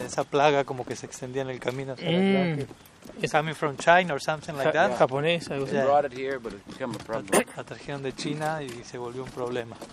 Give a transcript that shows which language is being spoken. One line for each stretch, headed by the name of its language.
Spanish: Esa plaga como que se extendía en el camino.
English: It's coming from China or something like that.
Spanish: Japonesa.
English: They brought it here, but it became a problem.
Spanish: La trajeron de China y se volvió un problema.